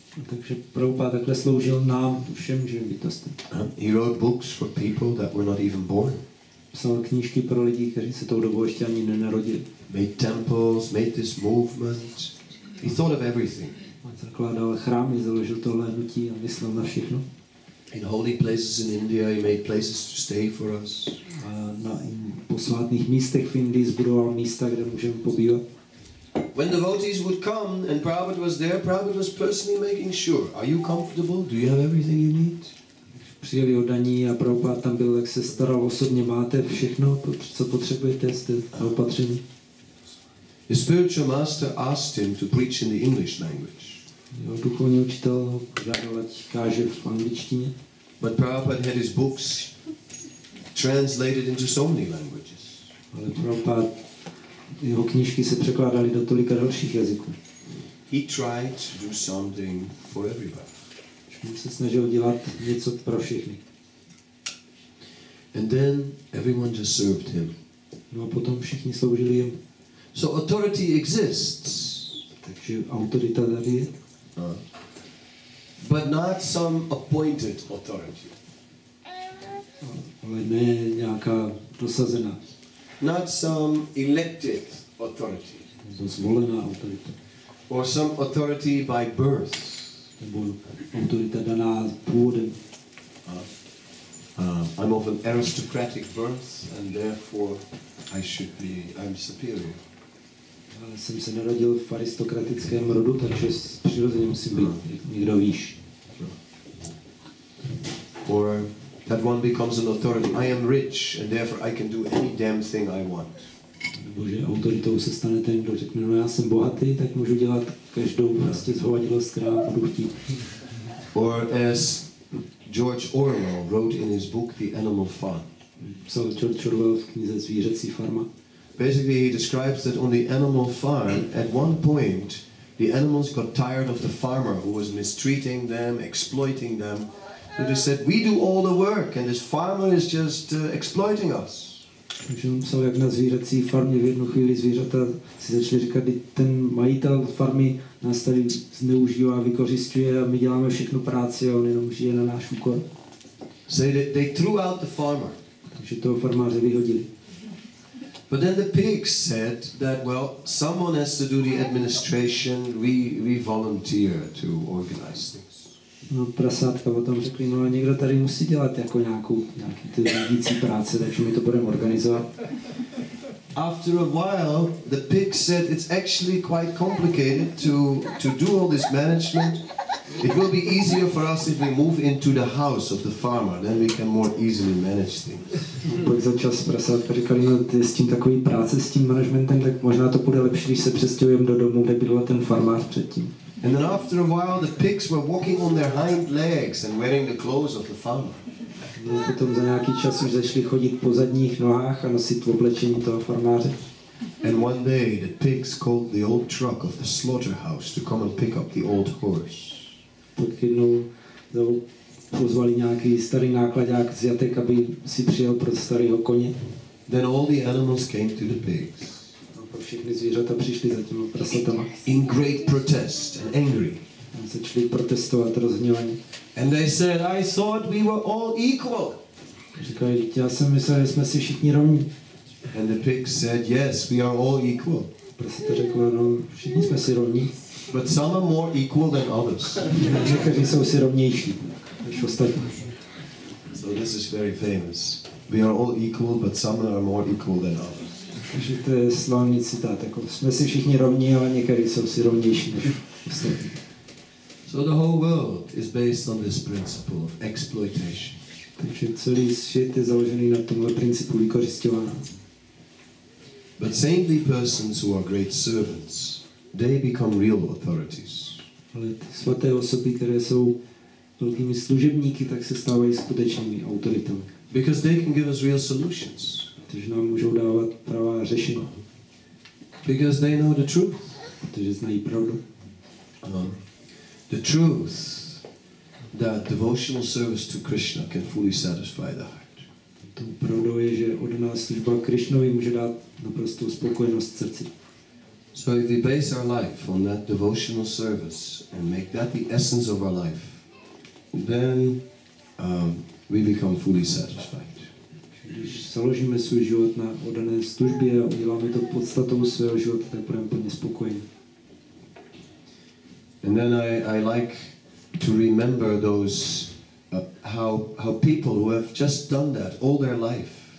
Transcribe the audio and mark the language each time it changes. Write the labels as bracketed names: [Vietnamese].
[Czech] Takže Prabhupada takhle sloužil nám, všem živým bytostem. [English] He wrote books for people that were not even born. [Czech] Psal knížky pro lidi, kteří se tou dobou ještě ani nenarodili. [English] Made temples, made this movement. He thought of everything. [Czech] On zakládal chrámy, založil tohle hnutí a myslel na všechno. [English] In holy places in India, he made places to stay for us. [Czech] A na posvátných místech v Indii zbudoval místa, kde můžeme pobývat. [English] When devotees would come and Prabhupada was there, Prabhupada was personally making sure. Are you comfortable? Do you have everything you need? [Czech] Přijeli oddaní a Prabhupada tam byl, jak se staral osobně, máte všechno, co potřebujete, jste opatření. [English] His spiritual master asked him to preach in the English language. [Czech] Jeho duchovní učitel ho žádal, ať káže v angličtině. [English] But Prabhupada had his books translated into so many languages. [Czech] Ale Prabhupada, jeho knížky se překládaly do tolika dalších jazyků. [English] He tried to do something for everybody. [Czech] On se snažil dělat něco pro všechny. [English] And then everyone just served him. [Czech] No a potom všichni sloužili jemu. [English] So authority exists. [Czech] Takže autorita tady je. [English] But not some appointed authority. [Czech] Ale ne nějaká dosazená. [English] Not some elected authority. [Czech] Zvolená autorita. [English] Or some authority by birth. [Czech] Nebo autorita daná původem. [English] I'm of an aristocratic birth and therefore I'm superior. [Czech] Já jsem se narodil v aristokratickém rodu, takže přirozeně musím být někdo výš. [English] Or that one becomes an authority. I am rich and therefore I can do any damn thing I want. [Czech] Nebo že autoritou se stane ten, kdo řekne, no já jsem bohatý, tak můžu dělat každou prostě zhovadilost, která budu chtít. [English] Or as George Orwell wrote in his book The Animal Farm. [Czech] Psal George Orwell v knize Zvířecí farma. [English] Basically he describes that on the animal farm, at one point, the animals got tired of the farmer who was mistreating them, exploiting them, Buddha said, we do all the work and this farmer is just exploiting us. [Czech] Takže on psal, jak na zvířecí farmě v jednu chvíli zvířata si začali říkat, že ten majitel farmy nás tady zneužívá, vykořisťuje a my děláme všechno práci a on jenom žije na náš úkor. [English] So they threw out the farmer. [Czech] Takže toho farmáře vyhodili. [English] But then the pigs said that, well, someone has to do the administration, we volunteer to organize things. [Czech] No, prasátka potom řekli, no, někdo tady musí dělat jako nějaký ty řídící práce, takže my to budeme organizovat. [English] After a while, the pig said it's actually quite complicated to do all this management. It will be easier for us if we move into the house of the farmer, then we can more easily manage things. [Czech] Pak začal prasátka říkali, no, ty s tím takový práce, s tím managementem, tak možná to bude lepší, když se přestěhujeme do domu, kde byl ten farmář předtím. [English] And then after a while the pigs were walking on their hind legs and wearing the clothes of the farmer. [Czech] No, potom za nějaký čas už začali chodit po zadních nohách a nosit oblečení toho farmáře. [English] And one day the pigs called the old truck of the slaughterhouse to come and pick up the old horse. [Czech] Pak jednou pozvali nějaký starý nákladák z jatek, aby si přijel pro starého koně. [English] Then all the animals came to the pigs. [Czech] Všechny zvířata přišly za těmi prasatama. [English] In great protest and angry. [Czech] A začali protestovat rozhněvaně. [English] And they said, I thought we were all equal. [Czech] Říkali, já jsem myslel, že jsme si všichni rovní. [English] And the pig said, yes, we are all equal. [Czech] Prasata řekla, no, všichni jsme si rovní. [English] But some are more equal than others. [Czech] Někteří jsou si rovnější než ostatní. [English] So this is very famous. We are all equal, but some are more equal than others. [Czech] Takže to je slavný citát, jako jsme si všichni rovní, ale někteří jsou si rovnější než ostatní. [English] So the whole world is based on this principle of exploitation. [Czech] Takže celý svět je založený na tomhle principu vykořisťování. [English] But saintly persons who are great servants, they become real authorities. [Czech] Ale ty svaté osoby, které jsou velkými služebníky, tak se stávají skutečnými autoritami. [English] Because they can give us real solutions. [Czech] Protože nám můžou dávat pravá řešení. [English] Because they know the truth. [Czech] Protože znají pravdu. [English] The truth that devotional service to Krishna can fully satisfy the heart. [Czech] To pravdou je, že od nás služba Krišnovi může dát naprostou spokojenost srdci. [English] So if we base our life on that devotional service and make that the essence of our life, then we become fully satisfied. [Czech] Když založíme svůj život na oddané službě a uděláme to podstatou svého života, tak budeme plně spokojeni. [English] And then I like to remember those how people who have just done that all their life.